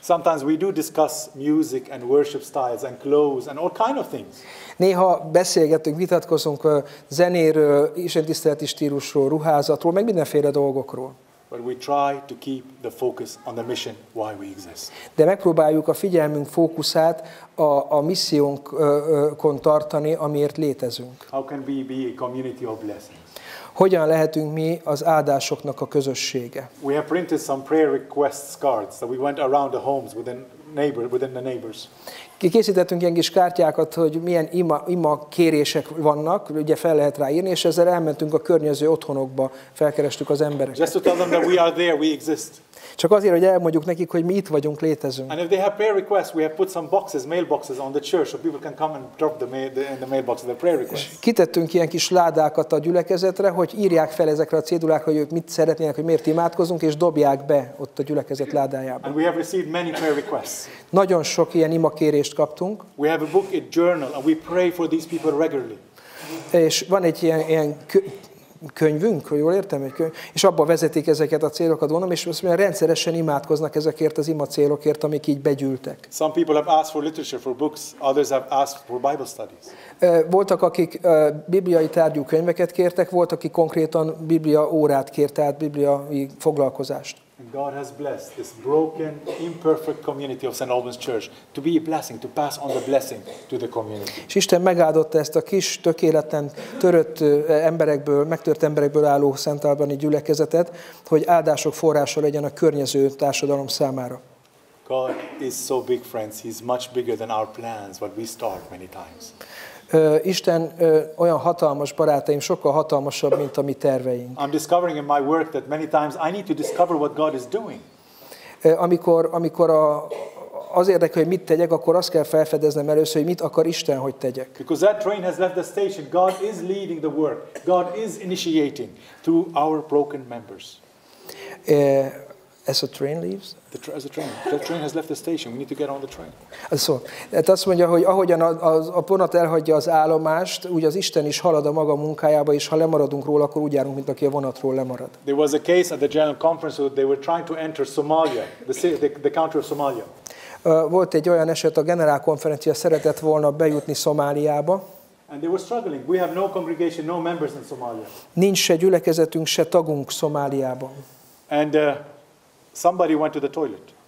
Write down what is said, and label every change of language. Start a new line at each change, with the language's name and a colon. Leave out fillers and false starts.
English: Sometimes we do discuss music and worship styles and clothes and all kind of things.
Hungarian: Néha beszélgetünk, vitatkozunk zenéről, istentiszteleti stílusról, ruházatról, meg mindenféle dolgokról.
English: But we try to keep the focus on the mission why we exist.
Hungarian: De megpróbáljuk a figyelmünk fókuszát a missziónkon tartani, amiért létezünk.
English: How can we be a community of blessings?
Hungarian: Hogyan lehetünk mi az áldásoknak a közössége?
English: We have printed some prayer requests cards that we went around the homes with the neighbor, within the neighbors.
Hungarian: Készítettünk ilyen kis kártyákat, hogy milyen ima kérések vannak, ugye fel lehet ráírni, és ezzel elmentünk a környező otthonokba, felkerestük az embereket.
English: Just to tell them that we are there, we exist.
Hungarian: Csak azért, hogy elmondjuk nekik, hogy mi itt vagyunk, létezünk.
English: And if they have prayer requests, we have put some boxes, mailboxes on the church, so people can come and drop the mail, in the mailbox their prayer requests.
Hungarian: Kitettünk ilyen kis ládákat a gyülekezetre, hogy írják fel ezekre a cédulákra, hogy ők mit szeretnének, hogy miért imádkozunk, és dobják be ott a gyülekezet ládájába.
English: And we have received many prayer requests.
Hungarian: Nagyon sok ilyen imakérést kaptunk.
English: We have a book, a journal, and we pray for these people regularly.
Hungarian: És van egy ilyen könyvünk, hogy jól értem, egy könyv, és abban vezetik ezeket a célokat, gondolom, és azt mondja, rendszeresen imádkoznak ezekért az ima célokért, amik így begyűltek.
English: Some people have asked for literature, for books, others have asked for Bible studies.
Hungarian: Voltak, akik bibliai tárgyú könyveket kértek, volt, aki konkrétan biblia órát kért, tehát bibliai foglalkozást.
English: God has blessed this broken, imperfect community of St. Albans Church to be a blessing, to pass on the blessing to the community.
Hungarian: És Isten megáldotta ezt a kis, tökéleten törött emberekből, megtört emberekből álló St. Albans-i gyülekezetet, hogy áldások forrása legyen a környező társadalom számára.
English: God is so big, friends. He's much bigger than our plans, what we start many times.
Hungarian: Isten olyan hatalmas, barátaim, sokkal hatalmasabb, mint a mi terveink.
English: I'm discovering in my work that many times I need to discover what God is doing.
Hungarian: Amikor az érdekel, hogy mit tegyek, akkor azt kell felfedeznem először, hogy mit akar Isten, hogy tegyek.
English: Because that train has left the station. God is leading the work. God is initiating through our broken members. As a train leaves? The train has left the station. We need to get on the train.
Hungarian: So, hát azt mondja, hogy ahogyan a vonat elhagyja az állomást, úgy az Isten is halad a maga munkájába, és ha lemaradunk róla, akkor úgy járunk, mint aki a vonatról lemarad.
English: There was a case at the General Conference where they were trying to enter Somalia, the country of Somalia.
Hungarian: Volt egy olyan eset, a General Conference szeretett volna bejutni Szomáliába.
English: And they were struggling. We have no congregation, no members in Somalia.
Hungarian: Nincs se gyülekezetünk, se tagunk Szomáliában.
English: And somebody went to the toilet.